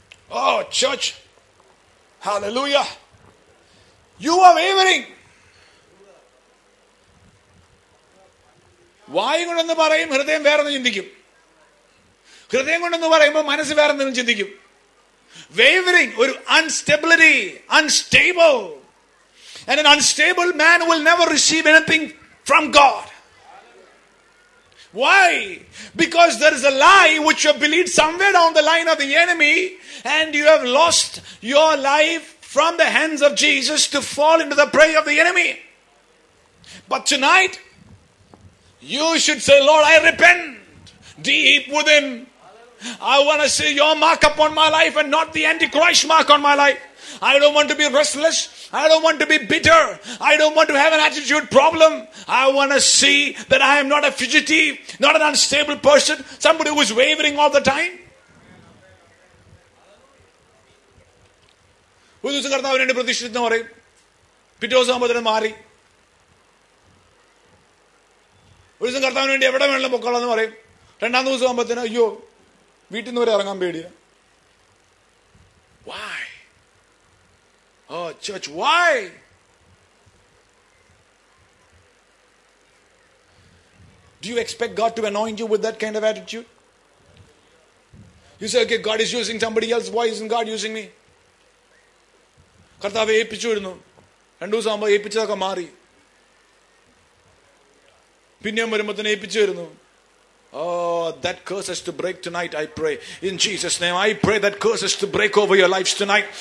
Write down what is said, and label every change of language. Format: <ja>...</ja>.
<en>Oh church, hallelujah, you are wavering.</en> <ml>വായും കൊണ്ടെന്ന് പറയും, ഹൃദയം വേറെന്ന് ചിന്തിക്കും. ഹൃദയം കൊണ്ടെന്ന് പറയുമ്പോൾ മനസ്സ് വേറെ എന്തെങ്കിലും ചിന്തിക്കും.</ml> <en>Wavering, or instability, unstable. And an unstable man will never receive anything from God. Why? Because there is a lie which you have believed somewhere down the line of the enemy, and you have lost your life from the hands of Jesus to fall into the prey of the enemy. But tonight, you should say, Lord, I repent deep within. I want to see your mark upon my life and not the Antichrist mark on my life. I don't want to be restless. I don't want to be bitter. I don't want to have an attitude problem. I want to see that I am not a fugitive, not an unstable person, somebody who is wavering all the time.</en> <ml>ഒരു ദിവസം കർത്താവ് എന്നോട് പ്രതിഷ്ഠിച്ചെന്ന് പറയും, പിറ്റേ ദിവസം അമ്പത്തിന് മാറി. ഒരു ദിവസം കർത്താവിന് വേണ്ടി എവിടെ വേണമെങ്കിലും പൊക്കോളാന്ന് പറയും, രണ്ടാം ദിവസം ആകുമ്പോഴത്തേന് അയ്യോ വീട്ടിൽ നിന്ന് വരെ ഇറങ്ങാൻ പേടിയാ. Y?</ml> <en>Oh church, why? Do you expect God to anoint you with that kind of attitude? You say, okay, God is using somebody else, why isn't God using me?</en> <ml>കർത്താവ് ഏൽപ്പിച്ചു വരുന്നു, രണ്ടു ദിവസം ആകുമ്പോൾ ഏൽപ്പിച്ചതൊക്കെ മാറി, പിന്നെയും വരുമ്പോഴത്തേന് ഏൽപ്പിച്ചു വരുന്നു.</ml> <en>Oh, that curse has to break tonight, I pray. In Jesus' name, I pray that curse has to break over your lives tonight.</en>